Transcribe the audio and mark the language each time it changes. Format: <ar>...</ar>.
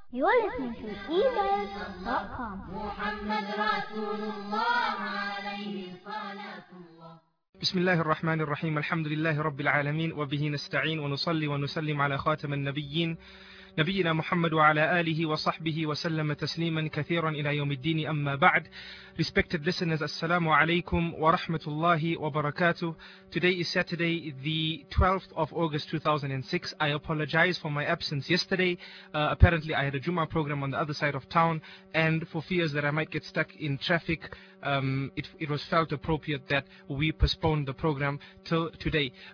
<en>You're listening to ebuzz.com.</en> <ar>محمد رسول الله عليه الصلاة. بسم الله الرحمن الرحيم. الحمد لله رب العالمين، وبه نستعين ونصلي ونسلم على خاتم النبيين نبينا محمد وعلى آله وصحبه وسلم تسليما كثيرا إلى يوم الدين. أما بعد،</ar> <en>respected listeners,</en> <ar>السلام عليكم ورحمة الله وبركاته.</ar> <en>Today is Saturday the 12th of August 2006. I apologize for my absence yesterday. Apparently I had a Jumu'ah program on the other side of town, and for fears that I might get stuck in traffic, it was felt appropriate that we postpone the program till today.</en>